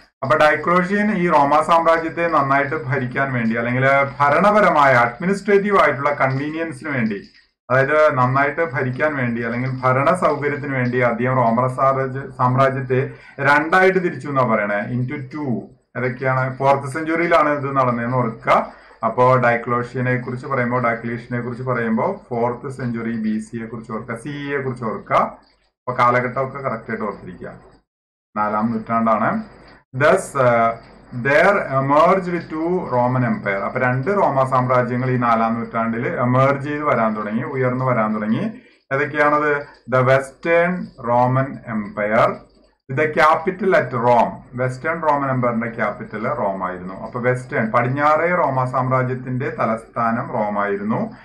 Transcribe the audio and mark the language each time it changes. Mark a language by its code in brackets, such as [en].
[ml] അപ്പൊ ഡൈക്ലോഷ്യൻ ഈ റോമാ സാമ്രാജ്യത്തെ നന്നായിട്ട് ഭരിക്കാൻ വേണ്ടി, അല്ലെങ്കിൽ ഭരണപരമായ അഡ്മിനിസ്ട്രേറ്റീവ് ആയിട്ടുള്ള കൺവീനിയൻസിന് വേണ്ടി, അതായത് നന്നായിട്ട് ഭരിക്കാൻ വേണ്ടി അല്ലെങ്കിൽ ഭരണ സൗകര്യത്തിന് വേണ്ടി അദ്ദേഹം റോമർ സാമ്രാജ്യത്തെ രണ്ടായിട്ട് തിരിച്ചു എന്നാണ് പറയണേ, [en] Into two. [ml] ഏതൊക്കെയാണ്? ഫോർത്ത് സെഞ്ചുറിയിലാണ് ഇത് നടന്നതെന്ന് ഓർക്കുക. അപ്പോ ഡൈക്ലോഷ്യനെ കുറിച്ച് പറയുമ്പോൾ, ഡൈക്ലേഷ്യനെ കുറിച്ച് പറയുമ്പോൾ ഫോർത്ത് സെഞ്ചുറി ബി സിയെ കുറിച്ച് ഓർക്കുക, സി ഇയെ കുറിച്ച് ഓർക്കുക. അപ്പൊ കാലഘട്ടമൊക്കെ കറക്റ്റ് ആയിട്ട് ഓർത്തിരിക്കുക, നാലാം നൂറ്റാണ്ടാണ്. [en] Thus, there emerged two Roman Empire. [ml] അപ്പൊ രണ്ട് റോമ സാമ്രാജ്യങ്ങൾ ഈ നാലാം നൂറ്റാണ്ടിൽ എമേർജ് ചെയ്ത് വരാൻ തുടങ്ങി, ഉയർന്നു വരാൻ തുടങ്ങി. ഏതൊക്കെയാണത്? [en] The western Roman empire with the capital at Rome. [ml] Western Roman എംപയറിന്റെ capital Rome ആയിരുന്നു. അപ്പൊ വെസ്റ്റേൺ പടിഞ്ഞാറേ റോമ സാമ്രാജ്യത്തിന്റെ തലസ്ഥാനം റോം ആയിരുന്നു.